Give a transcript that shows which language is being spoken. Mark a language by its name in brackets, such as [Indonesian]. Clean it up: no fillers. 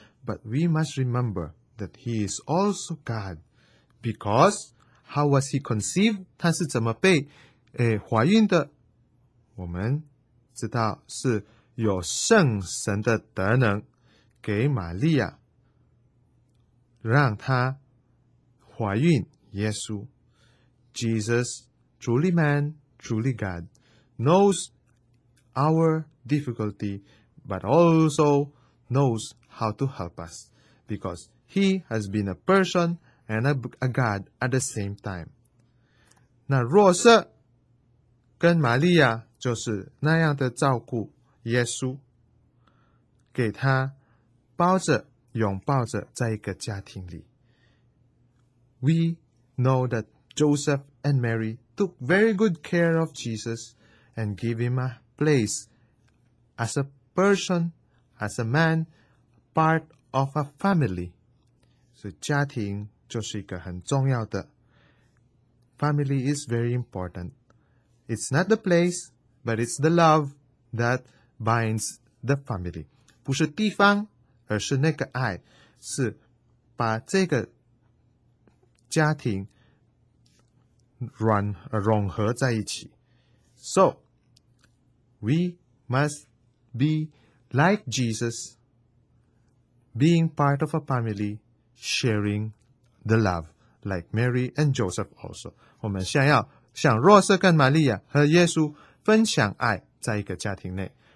[English] But we must remember that he is also God, because how was he conceived? [Chinese] 他是怎么被怀孕的？我们知道是有圣神的德能给玛利亚让她怀孕耶稣。 [English] Jesus, truly man, truly God, knows our difficulty, but also knows how to help us, because he has been a person and a God at the same time. [Chinese] 那若瑟跟玛利亚就是那样的照顾耶稣，给他包着拥抱着在一个家庭里。 [English] We know that Joseph and Mary took very good care of Jesus and gave him a place as a person, as a man, part of a family. [Chinese] 所以家庭就是一个很重要的。 [English] Family is very important. It's not the place,But it's the love that binds the family. [Chinese] 不是地方，而是那个爱，是把这个家庭融合在一起。 [English] So, we must be like Jesus, being part of a family, sharing the love, like Mary and Joseph also. [Chinese] 我们想要像若瑟跟玛利亚和耶稣分享爱在一个家庭内。